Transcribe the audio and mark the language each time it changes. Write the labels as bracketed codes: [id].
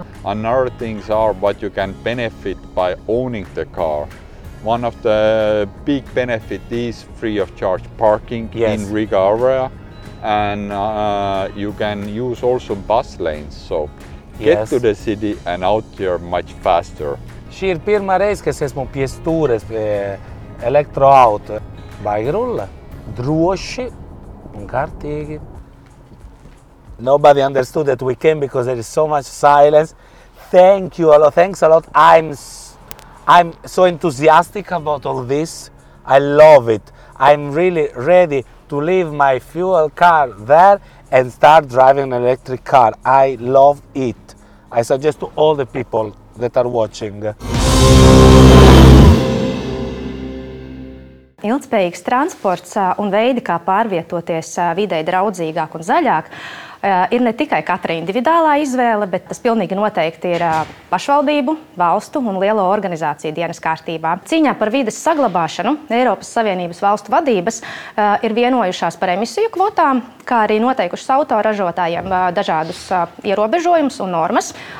[en] Another things are what you can benefit by owning the car. One of the big benefit is free of charge parking in Riga area, and you can use also bus lanes. So get to the city and out there much faster. [lv] Šīr pirmā reize, kas esmu piestūres pie elektroauto. Baigi rulla, droši un kārtīgi. [en] Nobody understood that we came because there is so much silence. Thank you a lot. Thanks a lot. I'm so enthusiastic about all this. I love it. I'm really ready to leave my fuel car there and start driving an electric car. I love it. I suggest to all the people that are watching. [lv] Ilgtspējīgs transports un veidi, kā pārvietoties videi draudzīgāk un zaļāk, ir ne tikai katra individuālā izvēle, bet tas pilnīgi noteikti ir pašvaldību, valstu un lielo organizāciju dienas kārtībā. Cīņā par vides saglabāšanu Eiropas Savienības valstu vadības ir vienojušās par emisiju kvotām, kā arī noteikušas autoražotājiem dažādus ierobežojumus un normas.